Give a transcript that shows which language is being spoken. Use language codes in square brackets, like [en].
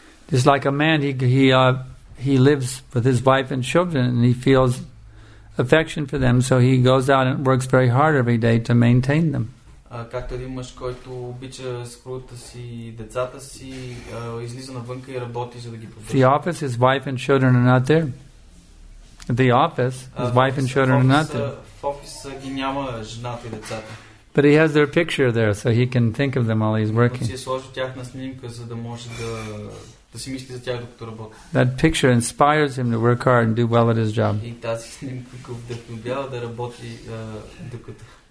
[en] Just like a man, he lives with his wife and children, and he feels affection for them, so he goes out and works very hard every day to maintain them. [bg] Както един мъж, който обича скрутата си, децата си, излиза навънка и работи, за да ги поддържа. [en] The office, his wife and children are not there. The office, his wife and children are not there. [bg] В офиса ги няма жената и децата. [en] But he has their picture there, so he can think of them while he's working. [bg] Си е сложил тяхна снимка, за да може да си мисли за тях, докато работи. [en] That picture inspires him to work hard and do well at his job. [bg] И тази снимка го вдъхновява да работи докато.